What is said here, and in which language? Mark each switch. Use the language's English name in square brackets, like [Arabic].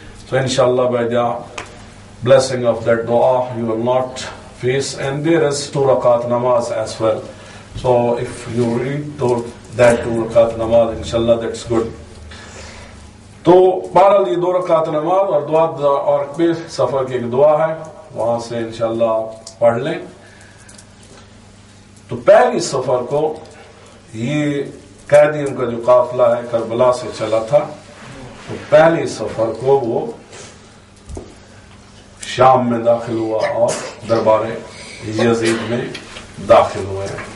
[English] So ان شاء اللہ by the blessing of that دعا you will not face, and there is two رکعت نماز as well. So if you read that two rakat namaz, inshallah, that's good. [Urdu] تو بہرحال یہ دو رکعت نماز اور دعا اور سفر کی ایک دعا ہے, وہاں سے انشاءاللہ پڑھ لیں. تو پہلی سفر کو یہ قیدیوں کا جو قافلہ ہے کربلا سے چلا تھا, تو پہلی سفر کو وہ شام میں داخل ہوا اور دربار یزید میں داخل ہوئے.